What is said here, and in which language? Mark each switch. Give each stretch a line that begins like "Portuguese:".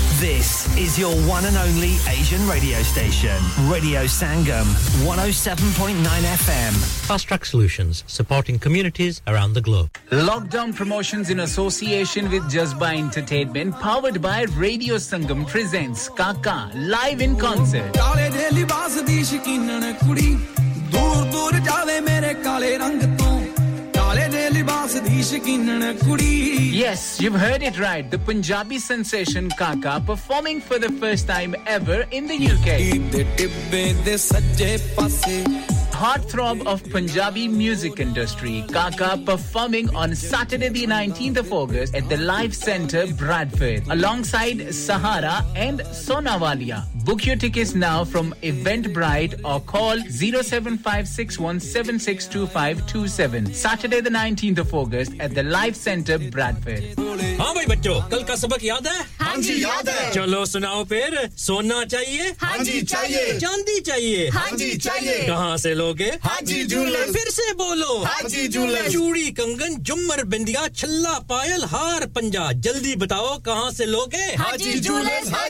English: This is your one and only Asian radio station. Radio Sangam, 107.9 FM. Fast Track Solutions, supporting communities around the globe. Lockdown Promotions in association with Jazba Entertainment, powered by Radio Sangam, presents Kaka, live in concert.
Punjabi: दूर दूर जावे मेरे काले रंग तो काले दे लिबास दी शकीनन कुड़ी.
English: Yes, you've heard it right. The Punjabi sensation Kaka performing for the first time ever in the UK. Heartthrob of Punjabi music industry, Kaka performing on Saturday the 19th of August at the Life Centre, Bradford, alongside Sahara and Sonawalia. Book your tickets now from Eventbrite or call 07561762527. Saturday the 19th of August at the Life Centre, Bradford.
Hindi: हाँ भाई बच्चों कल का सबक याद है हाँ जी याद है चलो सुनाओ फिर सोना चाहिए हाँ जी चाहिए चांदी चाहिए हाँ जी चाहिए कहाँ से लोगे हाँ जी ज्वेलर्स फिर से बोलो हाँ जी ज्वेलर्स चूड़ी कंगन जुमर बिंदिया छल्ला पायल हार पंजा जल्दी बताओ कहाँ से लोगे